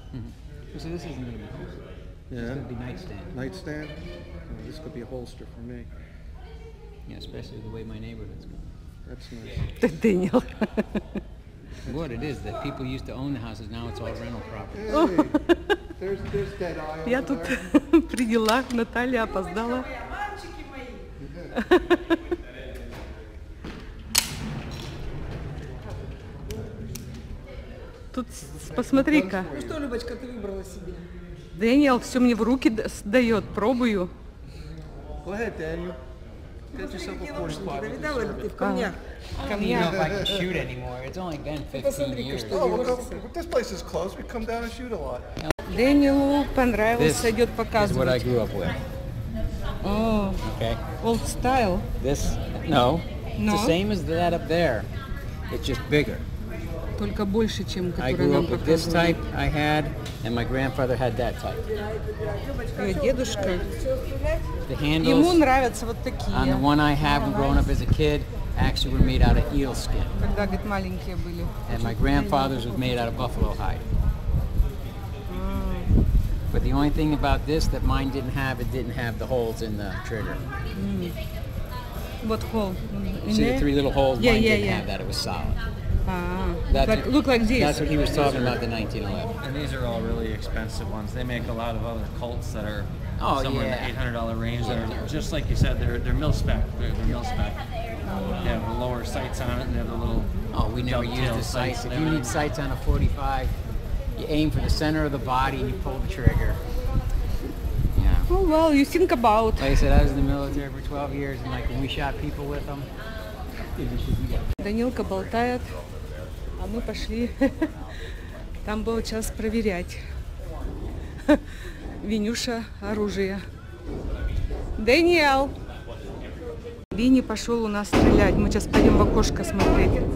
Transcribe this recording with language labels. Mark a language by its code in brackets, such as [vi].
[en] Mm-hmm. So this isn't going to be. Holster. Yeah. It's going to be nightstand. Nightstand. Well, this could be a holster for me. Yeah, especially the way my neighborhood's going. That's nice. The Daniel. What it is that people used to own the houses, now it's all rental property. Hey, there's that aisle. [ru] Я тут при делах, Наталья опоздала. Тут посмотри-ка. Ну что, Любочка, ты выбрала себе? Дэниел все мне в руки дает, пробую. [en] Go ahead, Daniel. Coming up, I can shoot anymore. It's only been 15 years. Oh, well, this place is close. We come down and shoot a lot. [ru] Даниилу понравился, идет показывать. [en] This is what I grew up with. Oh. Okay. Old style. This? No. It's the same as that up there. It's just bigger. [ru] Только больше, чем который [en] I grew up with this type I had, and my grandfather had that type. [ru] Дедушка. [en] The handles [ru] ему нравятся вот такие. [en] On the one I have growing up as a kid actually were made out of eel skin. [ru] Когда, говорит, маленькие были. [en] And my grandfather's was made out of buffalo hide. But the only thing about this that mine didn't have, it didn't have the holes in the trigger. What hole? In See the three little holes? Yeah, mine yeah, didn't yeah. have that, it was solid. That's like, look like this. That's what he was talking about, the 1911. And these are all really expensive ones. They make a lot of other Colts that are oh, somewhere yeah. in the $800 range. That are just like you said, they're mil-spec. They're mil-spec. They have the lower sights on it, and they have the little... Oh, we never use the sights. If you need sights on a 45, you aim for the center of the body, and you pull the trigger. Yeah. Oh, well, you think about... Like I said, I was in the military for 12 years, and like when we shot people with them... [ru] Данилка болтает, а мы пошли. Там был час проверять. Винюша оружие. Даниэл! Винни пошел у нас стрелять. Мы сейчас пойдем в окошко смотреть.